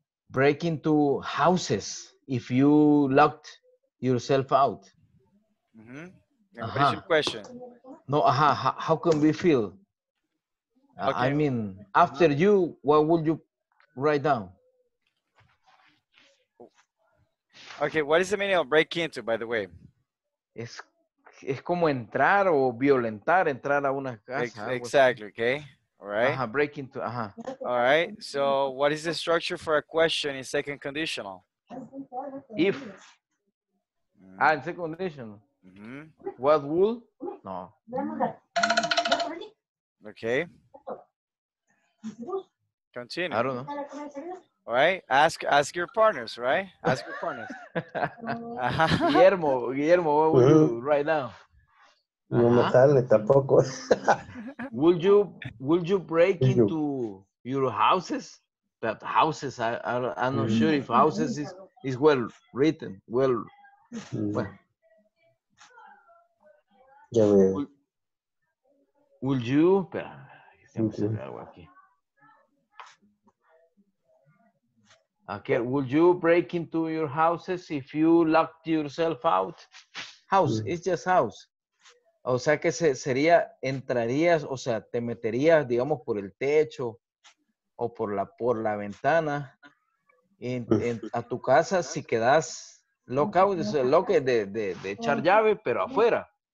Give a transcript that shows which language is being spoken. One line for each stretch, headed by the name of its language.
English: Break into houses if you locked yourself out. Mm-hmm. Uh-huh. What's your question? No, uh-huh. How can we feel? Okay. I mean, after you, what would you write down? Okay, what is the meaning of break into, by the way?
Spanish: Es como entrar o violentar, entrar a una casa.
English: Exactly, okay. All right. Uh-huh, break into, uh-huh. All right, so what is the structure for a question in second conditional? If. Ah, in second conditional. Mm-hmm. What would? No. Okay. Continue. I don't know. All right. Ask your partners, right? Ask your partners. Uh-huh. Guillermo, what would you do right now?
Spanish: No me sale tampoco.
English: Would you break into your houses? But houses, I'm not sure if houses is well written. Well. Yeah, would you Okay, would you break into your houses if you locked yourself out? House, it's just house.
Spanish: O sea que sería, entrarías, o sea, te meterías, digamos, por el techo o por la ventana a tu casa si quedas lockout, es locked de echar llave, pero afuera.